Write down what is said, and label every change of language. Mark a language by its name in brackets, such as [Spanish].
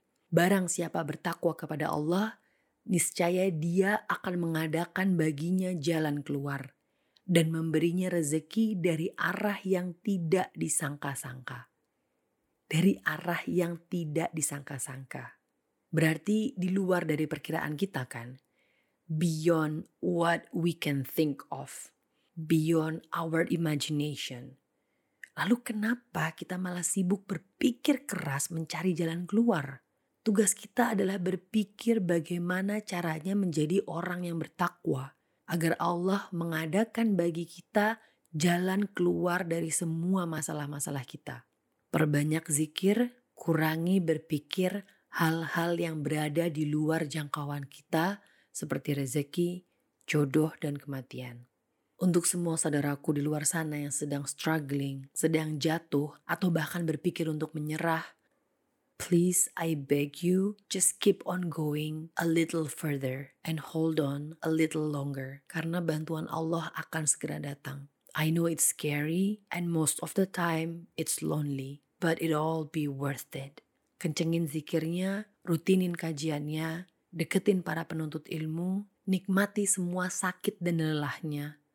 [Indonesian] Barang siapa bertakwa kepada Allah, niscaya dia akan mengadakan baginya jalan keluar dan memberinya rezeki dari arah yang tidak disangka-sangka. Dari arah yang tidak disangka-sangka. Berarti di luar dari perkiraan kita kan? [English] Beyond what we can think of. Beyond our imagination. [Indonesian] Lalu kenapa kita malah sibuk berpikir keras mencari jalan keluar? Tugas kita adalah berpikir bagaimana caranya menjadi orang yang bertakwa agar Allah mengadakan bagi kita jalan keluar dari semua masalah-masalah kita. Perbanyak zikir, kurangi berpikir hal-hal yang berada di luar jangkauan kita seperti rezeki, jodoh, dan kematian. Untuk semua saudaraku di luar sana yang sedang struggling, sedang jatuh, atau bahkan berpikir untuk menyerah, [English] please, I beg you, just keep on going a little further and hold on a little longer. [Indonesian] Karena bantuan Allah akan segera datang. [English] I know it's scary and most of the time it's lonely, but it all be worth it. [Indonesian] Kencengin zikirnya, rutinin kajiannya, deketin para penuntut ilmu, nikmati semua sakit dan lelahnya.